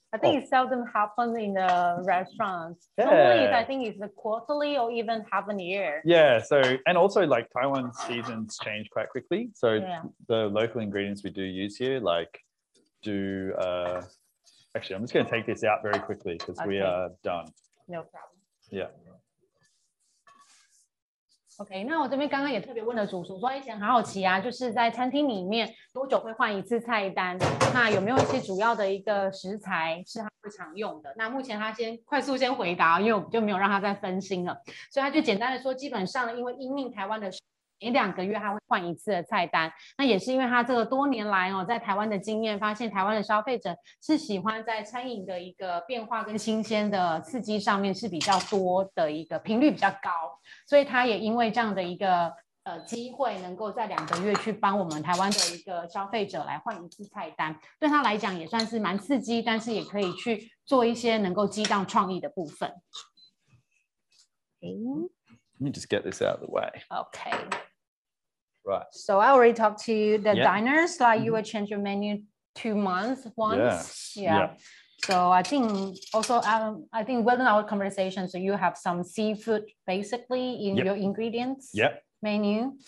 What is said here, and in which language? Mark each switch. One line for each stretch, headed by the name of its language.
English: I think it seldom happens in the restaurants. Normally, I think it's a quarterly or even half a year. Yeah, so, and also like Taiwan's seasons change quite quickly. So the local ingredients we do use here, like actually, I'm just going to take this out very quickly because we are done. No problem. Yeah.
Chinese: OK, 那我这边刚刚也特别问了主厨说，以前很好奇啊，就是在餐厅里面多久会换一次菜单，那有没有一些主要的一个食材是他会常用的，那目前他先快速回答，因为我就没有让他再分心了，所以他就简单的说，基本上因为因应台湾的每2个月他会换一次的菜单，那也是因为他这个多年来哦，在台湾的经验发现，台湾的消费者是喜欢在餐饮的一个变化跟新鲜的刺激上面是比较多的一个频率比较高，所以他也因为这样的一个机会能够在2个月去帮我们台湾的一个消费者来换一次菜单，对他来讲也算是蛮刺激，但是也可以去做一些能够激荡创意的部分。
English: Let me just get this out of the way. Okay. Right. So I already talked to you, the diners, like you would change your menu 2 months once. Yeah. So I think also, I think within our conversation, so you have some seafood basically in your ingredients menu.